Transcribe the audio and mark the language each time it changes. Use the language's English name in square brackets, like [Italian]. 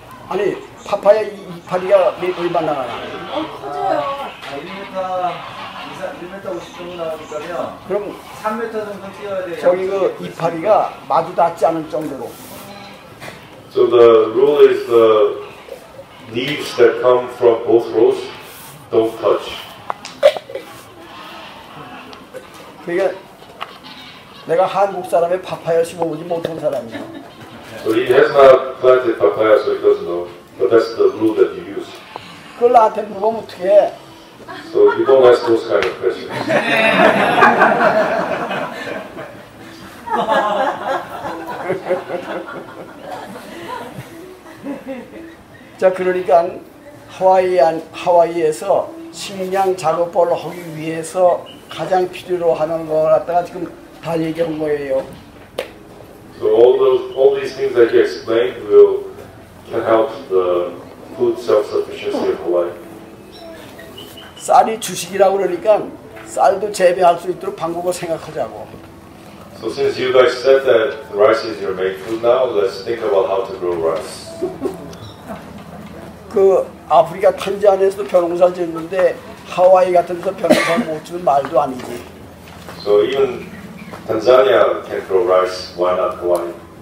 [Korean] 아니 파파야 이 파리가 얼마나? 1m 50 정도 나가니까요. 그럼 3m 정도 뛰어야 돼. 저기 그 이 파리가 마주 닿지 않을 정도로. [English] So the rule is the leaves that come from both rows don't touch. [Korean] 그게 내가 한국 사람의 파파야 심어보지 못한 사람이야. [English] So he has not planted papaya, so he doesn't know. But that's the rule that you use. [Korean] 그걸 나한테 물어보면 어떡해? [English] So you don't ask those kind of questions. [Korean] 자, 그러니까 하와이에서 식량 작업을 하기 위해서 가장 필요로 하는 걸 갖다가 지금 다 얘기한 거예요. [English] So all these things that he explained can help the food self-sufficiency of Hawaii. [Korean] 쌀이 주식이라고 그러니까 쌀도 재배할 수 있도록 방법을 생각하자고. [English] So since you guys said that rice is your main food now, let's think about how to grow rice. [Korean] 그 아프리카 탄자니아에서도 벼농사 짓는데 하와이 같은 데서 벼농사 못 짓는 말도 아니지. [English] So even Tanzania can grow rice, why not Hawaii?